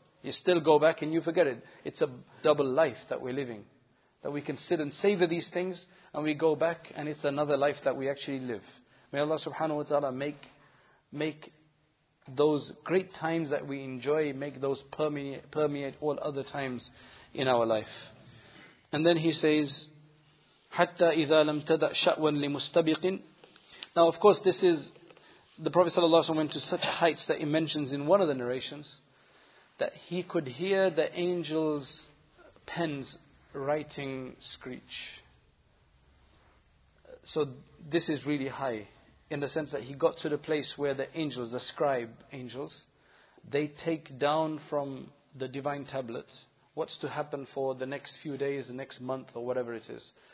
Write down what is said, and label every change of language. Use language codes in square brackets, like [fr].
[en] You still go back and you forget it. It's a double life that we're living. That we can sit and savor these things and we go back and it's another life that we actually live. May Allah subhanahu wa ta'ala make those great times that we enjoy, make those permeate all other times in our life. And then he says, [ar] حَتَّى إِذَا لَمْ تَدَأْ شَأْوًا لِمُسْتَبِقٍ. [en] Now of course this is, the Prophet sallallahu alayhi wa sallam went to such heights that he mentions in one of the narrations, that he could hear the angels' pens writing screech. So this is really high, in the sense that he got to the place where the angels, the scribe angels, they take down from the divine tablets what's to happen for the next few days, the next month, or whatever it is.